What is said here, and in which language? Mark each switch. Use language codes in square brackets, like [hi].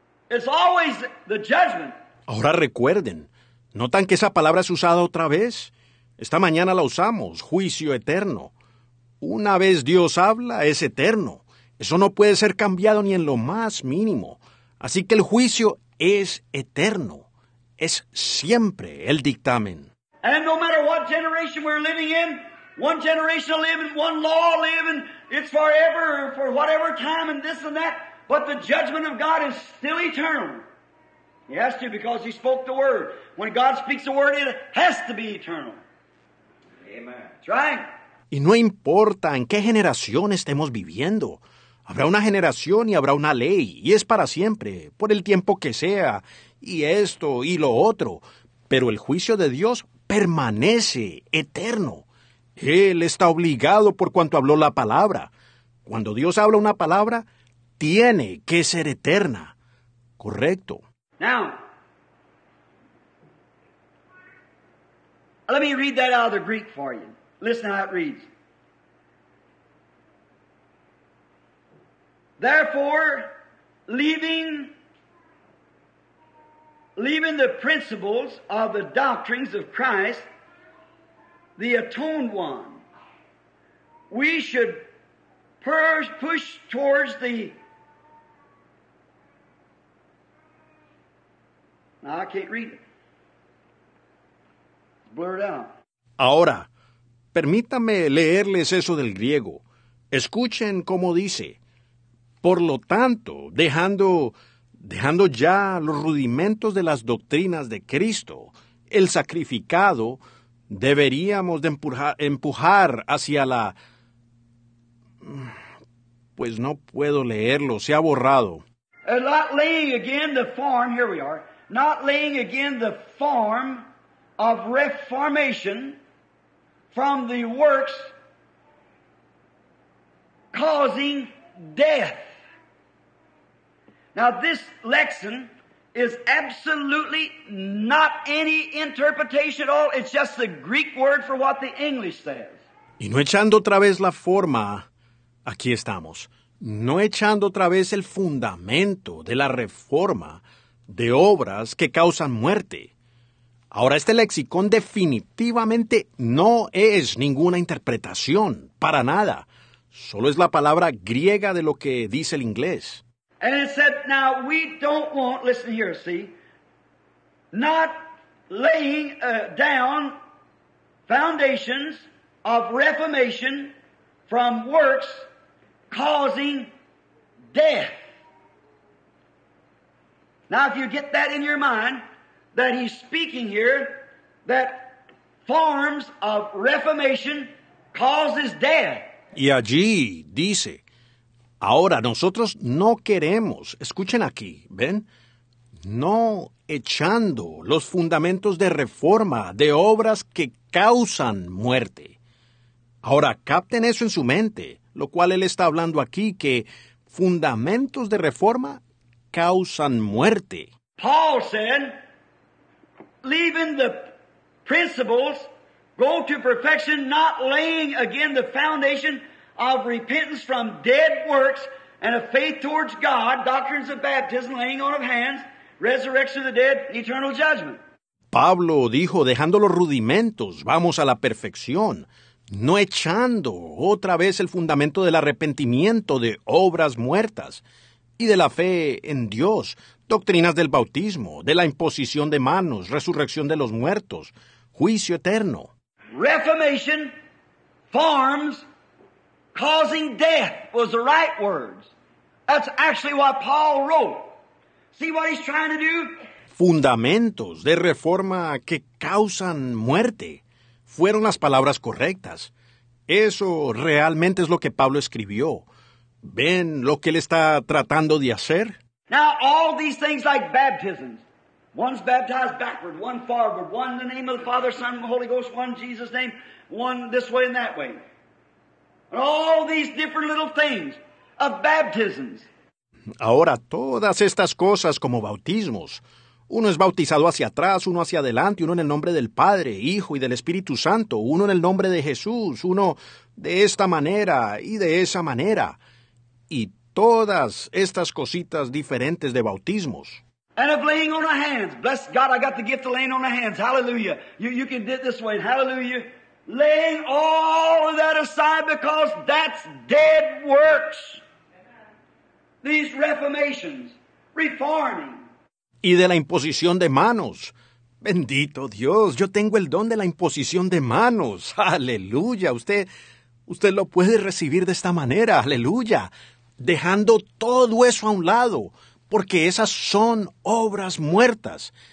[en] It's always the judgment. [es] Ahora recuerden, ¿notan que esa palabra es usada otra vez? Esta mañana la usamos, juicio eterno. Una vez Dios habla, es eterno. Eso no puede ser cambiado ni en lo más mínimo. Así que el juicio es eterno. Es siempre el dictamen. [en] And no matter what generation we're living in, one generation living, one law living, it's forever, for whatever time and this and that, but the judgment of God is still eternal. He has to, because he spoke the word. When God speaks the word, it has to be eternal. Amen. That's right. [es] Y no importa en qué generación estemos viviendo, habrá una generación y habrá una ley, y es para siempre, por el tiempo que sea, y esto y lo otro, pero el juicio de Dios permanece eterno. Él está obligado por cuanto habló la palabra. Cuando Dios habla una palabra, tiene que ser eterna. Correcto. [en] Now, let me read that out of the Greek for you. Listen how it reads. Therefore, leaving the principles of the doctrines of Christ, the atoned one, we should push towards the... Now, I can't read it. It's blurred out. [es] Ahora, permítame leerles eso del griego. Escuchen cómo dice. Por lo tanto, dejando ya los rudimentos de las doctrinas de Cristo, el sacrificado, deberíamos de empujar hacia la... Pues no puedo leerlo, se ha borrado. [en] Not laying again the form, here we are, not laying again the form of reformation from the works causing death. Now, this lexicon is absolutely not any interpretation at all. It's just the Greek word for what the English says. [es] Y no echando otra vez la forma, aquí estamos. No echando otra vez el fundamento de la reforma de obras que causan muerte. Ahora, este lexicón definitivamente no es ninguna interpretación, para nada. Solo es la palabra griega de lo que dice el inglés. [en] And it said, now we don't want, listen here, see, not laying down foundations of reformation from works causing death. Now if you get that in your mind, that he's speaking here, that forms of reformation causes death. [es] Y allí dice... Ahora, nosotros no queremos, escuchen aquí, ¿ven? No echando los fundamentos de reforma de obras que causan muerte. Ahora, capten eso en su mente, lo cual él está hablando aquí, que fundamentos de reforma causan muerte. [en] Paul said, leaving the principles, go to perfection, not laying again the foundation of repentance from dead works and a faith towards God, doctrines of baptism, laying on of hands, resurrection of the dead, eternal judgment. [es] Pablo dijo, dejando los rudimentos, vamos a la perfección, no echando otra vez el fundamento del arrepentimiento de obras muertas y de la fe en Dios, doctrinas del bautismo, de la imposición de manos, resurrección de los muertos, juicio eterno. [en] Reformation forms causing death was the right words. That's actually what Paul wrote. See what he's trying to do? [es] Fundamentos de reforma que causan muerte fueron las palabras correctas. Eso realmente es lo que Pablo escribió. ¿Ven lo que él está tratando de hacer? [en] Now, all these things like baptisms, One's baptized backward, one forward, one in the name of the Father, Son, and the Holy Ghost, one in Jesus' name, one this way and that way. And all these different little things of baptisms. [es] Ahora, todas estas cosas como bautismos. Uno es bautizado hacia atrás, uno hacia adelante, uno en el nombre del Padre, Hijo y del Espíritu Santo, uno en el nombre de Jesús, uno de esta manera y de esa manera. Y todas estas cositas diferentes de bautismos. [en] And of laying on our hands. Bless God, I got the gift of laying on our hands. Hallelujah. You can do it this way. Hallelujah. Laying all of that aside because that's dead works. These reformations, reforming. [es] Y de la imposición de manos. Bendito Dios, yo tengo el don de la imposición de manos. Aleluya. Usted lo puede recibir de esta manera. Aleluya. Dejando todo eso a un lado, porque esas son obras muertas.